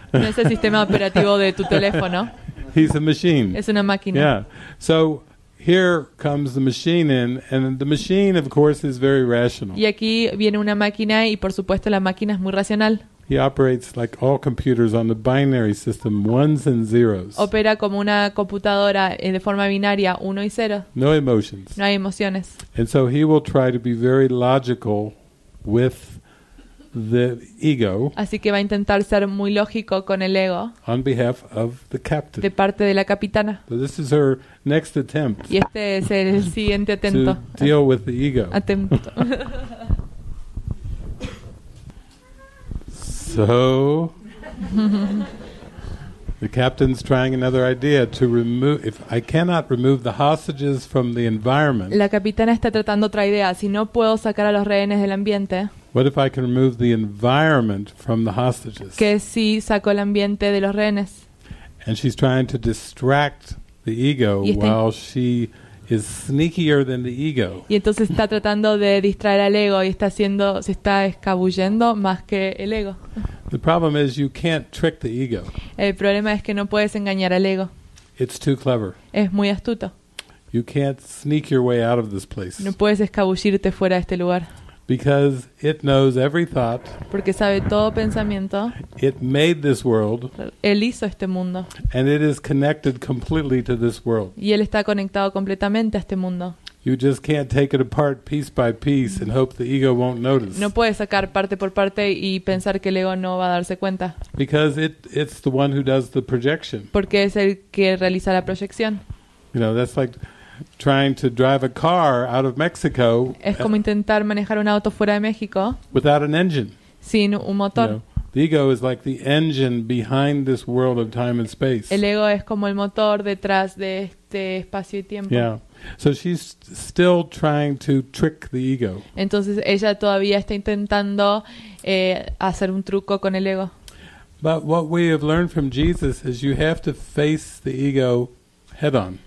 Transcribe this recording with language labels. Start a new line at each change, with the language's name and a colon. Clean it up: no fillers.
Spanish: No es el sistema operativo de tu teléfono.
English: He's a machine.
Spanish: Es una máquina.
English: Yeah. So here comes the machine in, and the machine, of course, is very rational.
Spanish: Y aquí viene una máquina, y por supuesto la máquina es muy racional.
English: He operates like all computers on the binary system, ones and zeros.
Spanish: Opera como una computadora de forma binaria, uno y cero.
English: No emotions.
Spanish: No hay emociones.
English: And so he will try to be very logical with the ego.
Spanish: Así que va a intentar ser muy lógico con el ego.
English: On behalf of the captain.
Spanish: De parte de la capitana.
English: So this is her next attempt.
Spanish: Y este es el siguiente
English: attempt. To deal with the ego.
Spanish: Attempto.
English: So the captain's trying another idea to remove. If I cannot remove the hostages from the environment.
Spanish: La capitana está tratando otra idea. Si no puedo sacar a los rehenes del ambiente.
English: What if I can remove the environment from the hostages?
Spanish: ¿Qué si saco el ambiente de los rehenes?
English: And she's trying to distract the ego while she is sneakier than the ego.
Spanish: Y entonces está tratando de distraer al ego y está haciendo, se está escabullendo más que el ego.
English: The problem is you can't trick the ego.
Spanish: El problema es que no puedes engañar al ego.
English: It's too clever.
Spanish: Es muy astuto.
English: You can't sneak your way out of this place.
Spanish: No puedes escabullirte fuera de este lugar.
English: Because it knows every thought.
Spanish: Porque sabe todo pensamiento.
English: It made this world.
Spanish: Él hizo este mundo.
English: And it is connected completely to this world.
Spanish: Y él está conectado completamente a este mundo.
English: You just can't take it apart piece by piece and hope the ego won't notice.
Spanish: No puedes sacar parte por parte y pensar que el ego no va a darse cuenta.
English: Because it's the one who does the projection.
Spanish: Porque es el que realiza la proyección.
English: You know, that's like trying to drive a car out of Mexico.
Spanish: Es como intentar manejar un auto fuera de México.
English: Without an engine.
Spanish: Sin un motor.
English: You know, the ego is like the engine behind this world of time and space.
Spanish: El ego es como el motor detrás de este espacio y tiempo.
English: Yeah. So she's still trying to trick the ego.
Spanish: Entonces ella todavía está intentando hacer un truco con el ego.
English: But what we have learned from Jesus is you have to face the ego head on.